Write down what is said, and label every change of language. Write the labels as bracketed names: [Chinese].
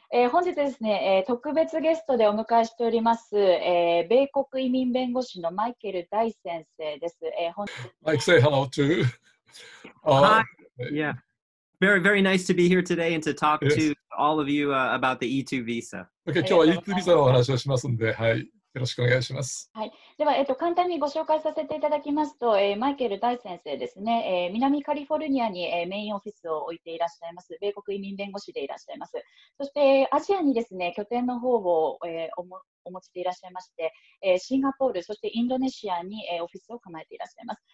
[Japanese] 本日ですね、特別ゲストでお迎えしております、米国移民弁護士のマイケル・ダイ先生です。 [English] Mike, say hello to. Hi. Yeah. Very, very nice to be here today and to talk to all of you about the E2 visa. [Japanese] Okay, 今日は E2 visa のお話をしますんで、はい。よろしくお願いします。はい、では、簡単にご紹介させていただきますと、マイケル・ダイ先生ですね、南カリフォルニアに、メインオフィスを置いていらっしゃいます。米国移民弁護士でいらっしゃいます。そして、アジアにですね、拠点の方を、お持ちでいらっしゃいまして、シンガポール、そしてインドネシアに、オフィスを構えていらっしゃいます。